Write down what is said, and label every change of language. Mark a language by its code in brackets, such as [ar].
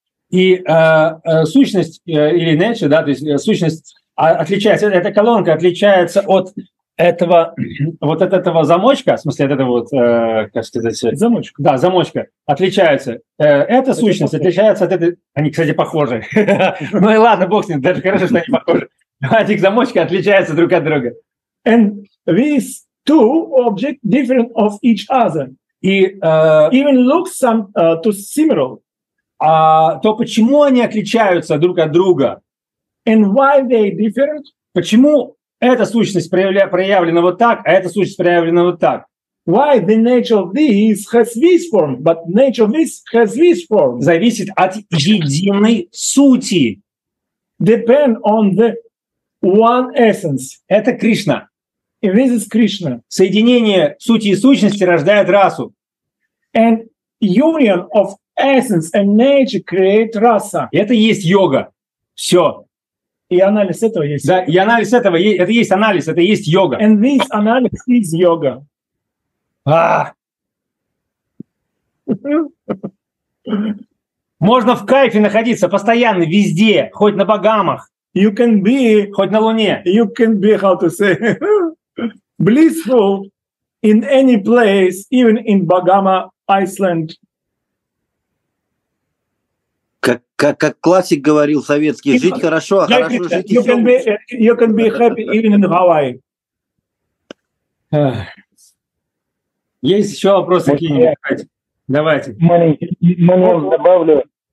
[ru] И сущность, или nature, да, то есть сущность... отличается, эта колонка отличается от этого, вот от этого замочка, в смысле, от этого вот, как сказать... Замочка. Да, замочка, отличаются. Эта сущность отличается от этой... Они, кстати, похожи. Ну и ладно, бог с ним, даже хорошо, что они похожи. Эти замочки отличаются друг от друга. [en] And these two objects different of each other. [ru] И, [en] even looks some, to similar. [ru] А то почему они отличаются друг от друга? [en] And why they different? [ru] Почему эта сущность проявлена вот так, а эта сущность проявлена вот так? [en] Why the nature of this has this form, but nature of this has this form? [ru] Зависит от единой сути. [en] Depend on the one essence. [ru] Это Кришна. [en] And this is Krishna. [ru] Соединение сути и сущности рождает расу. [en] And union of essence and nature create rasa. [ru] Это есть йога. Все. И анализ этого есть. Да, и анализ этого, это есть анализ, это есть йога. [en] And this analysis is yoga. [ru] А! Можно в кайфе находиться постоянно, везде, хоть на Багамах. [en] You can be... [ru] Хоть на Луне. [en] You can be, how to say, blissful in any place, even in Багама, Iceland. [ru] Как классик говорил советский, жить хорошо, а хорошо жить. [en] You can be happy even in Hawaii. [ru] Есть еще вопросы какие-нибудь? Давайте. Можно добавлю.